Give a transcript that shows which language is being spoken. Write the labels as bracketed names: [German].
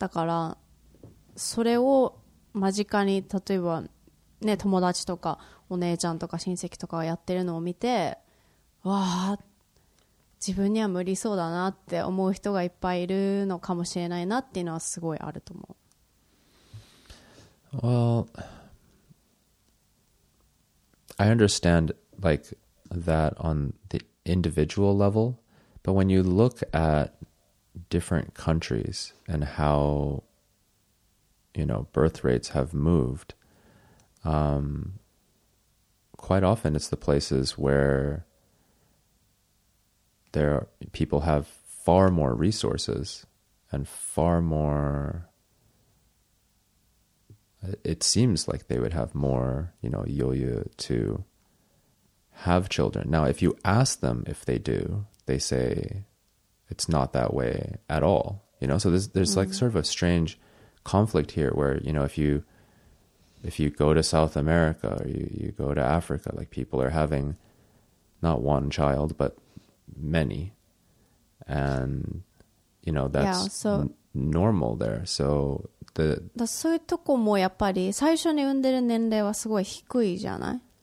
[Japanese] だからそれを間近に、例えばね、友達とかお姉ちゃんとか親戚とかがやってるのを見て、わあ、自分には無理そうだなって思う人がいっぱいいるのかもしれないなっていうのはすごいあると思う。 [English] WellI understand like that on the individual level, but when you look at different countries and how, you know, birth rates have moved, quite often it's the places where there are, people have far more resources and far more, it seems like they would have more, you know, yoyu to have children. Now, if you ask them if they do, they say it's not that way at all. You know, so there's mm-hmm. like sort of a strange conflict here where, you know, if you go to South America or you go to Africa, like people are having not one child, but many. And, you know, that's normal there. So... [Japanese] だそういうとこもやっぱり最初に産んでる年齢はすごい低いじゃない